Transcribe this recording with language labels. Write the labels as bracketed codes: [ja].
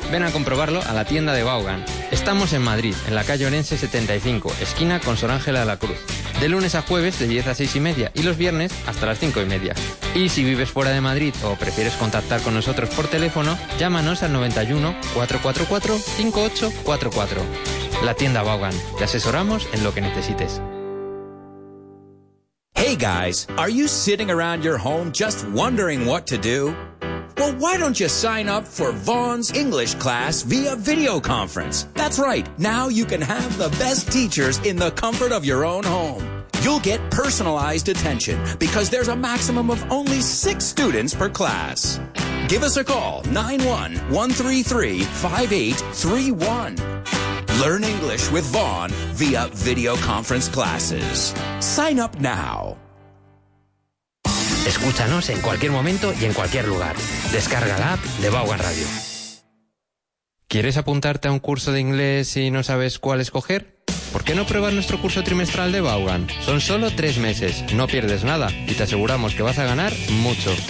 [es] Ven a comprobarlo a la tienda de Vaughan. Estamos en Madrid, en la calle Orense 75, esquina con Sor Ángela de la Cruz. De lunes a jueves de 10 a 6 y media y los viernes hasta las 5 y media. Y si vives fuera de Madrid o prefieres contactar con nosotros por teléfono, llámanos al 91-444-5844. La tienda Vaughan. Te asesoramos en lo que necesites. [en] Hey guys, are you sitting around your home just wondering what to do? Well, why don't you sign up for Vaughn's English class via video conference? That's right. Now you can have the best teachers in the comfort of your own home. You'll get personalized attention because there's a maximum of only 6 students per class. Give us a call, 91-133-5831. Learn English with Vaughn via video conference classes. Sign up now. [es] Escúchanos en cualquier momento y en cualquier lugar. Descarga la app de Vaughan Radio. ¿Quieres apuntarte a un curso de inglés y no sabes cuál escoger? ¿Por qué no pruebas nuestro curso trimestral de Vaughan? Son solo 3 meses, no pierdes nada y te aseguramos que vas a ganar mucho.